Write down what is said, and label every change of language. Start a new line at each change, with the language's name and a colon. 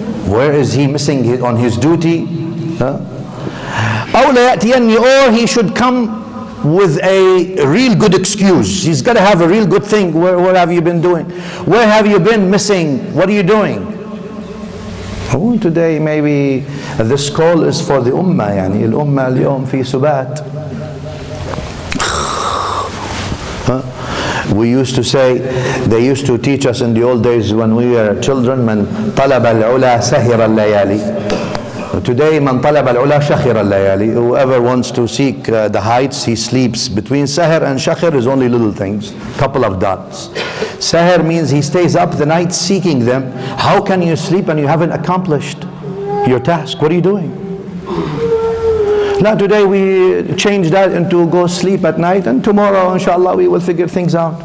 English: Where is he missing on his duty?
Arabic: أو ليأتيني,
English: or he should come with a real good excuse. He's got to have a real good thing. What have you been doing? Where have you been missing? What are you doing? Oh, today maybe this call is for the ummah.
Arabic: يعني الأمة اليوم في سبات.
English: We used to say, they used to teach us in the old days when we were children,
Arabic: من طلب العلا سهر الليالي. Today, من طلب العلا شخر الليالي.
English: Whoever wants to seek the heights, he sleeps. Between سهر and شخر is only little things, couple of dots. Sahir means he stays up the night seeking them. How can you sleep and you haven't accomplished your task? What are you doing? Now today we change that into go sleep at night, and tomorrow inshallah we will figure things out.